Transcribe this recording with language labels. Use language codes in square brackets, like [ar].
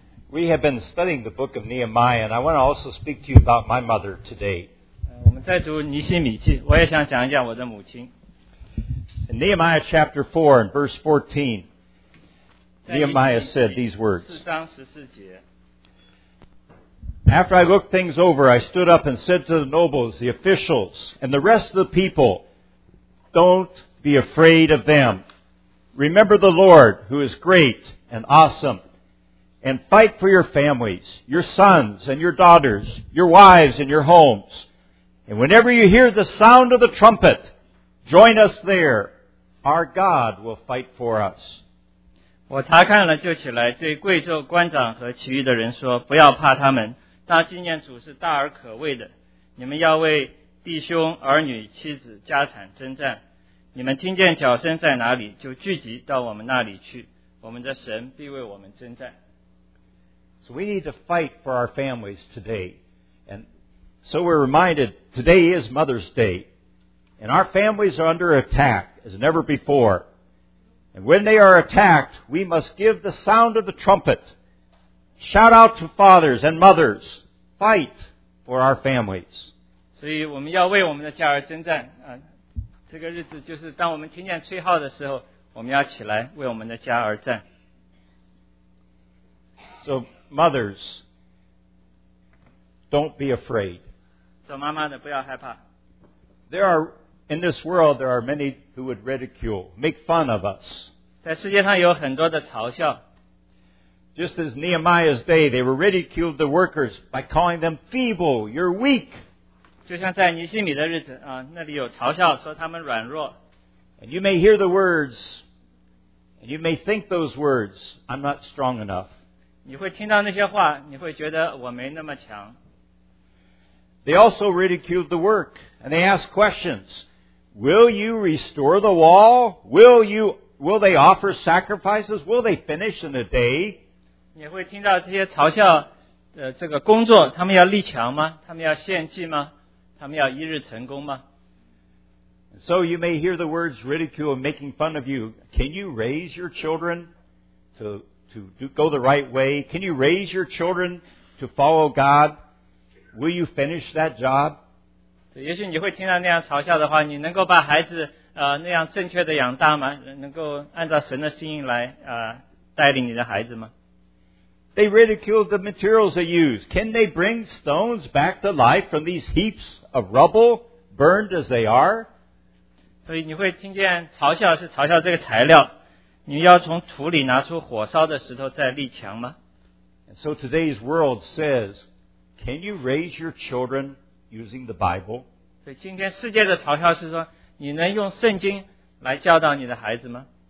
[en] We have been studying the book of Nehemiah, and I want to also speak to you about my mother today. [zh] 我们在读尼希米记，我也想讲一讲我的母亲。 [en] In Nehemiah chapter 4 and verse 14, Nehemiah said these words. [zh] 四章十四节。 [en] After I looked things over, I stood up and said to the nobles, the officials, and the rest of the people, don't be afraid of them. Remember the Lord, who is great and awesome, and fight for your families, your sons and your daughters, your wives and your homes. And whenever you hear the sound of the trumpet, join us there. Our God will fight for us. [zh] 我查看了就起来，对贵胄官长和其余的人说，不要怕他们。当纪念主是大而可畏的，你们要为弟兄、儿女、妻子、家产征战。你们听见脚声在哪里，就聚集到我们那里去。我们的神必为我们征战。 [en] So we need to fight for our families today, and so we're reminded today is Mother's Day, and our families are under attack as never before. And when they are attacked, we must give the sound of the trumpet. Shout out to fathers and mothers. Fight for our families. [zh] 所以我们要为我们的家而征战。这个日子就是当我们听见吹号的时候，我们要起来为我们的家而战。 [en] So mothers, don't be afraid. [zh] 做妈妈的不要害怕。 [en] There are, in this world, there are many who would ridicule, make fun of us. [zh] 在世界上有很多的嘲笑。 [en] Just as Nehemiah's day, they were ridiculed the workers by calling them feeble, you're weak. [zh] 就像在尼希米的日子，那里有嘲笑说他们软弱。 [en] And you may hear the words, and you may think those words, I'm not strong enough. [zh] 你会听到那些话，你会觉得我没那么强。 [en] They also ridiculed the work, and they asked questions. Will you restore the wall? Will they offer sacrifices? Will they finish in a day? [zh] 你会听到这些嘲笑的这个工作，他们要立墙吗？他们要献祭吗？他们要一日成功吗？ [en] So you may hear the words ridicule and making fun of you. Can you raise your children to go the right way? Can you raise your children to follow God? Will you finish that job? [zh] 也许你会听到那样嘲笑的话，你能够把孩子那样正确的养大吗？能够按照神的心意来带领你的孩子吗？ [en] They ridiculed the materials they use. Can they bring stones back to life from these heaps of rubble, burned as they are? [zh] 所以你会听见嘲笑是嘲笑这个材料。你要从土里拿出火烧的石头再立墙吗？ [en] And so today's world says, can you raise your children using the Bible? [zh] 所以今天世界的嘲笑是说，你能用圣经来教导你的孩子吗？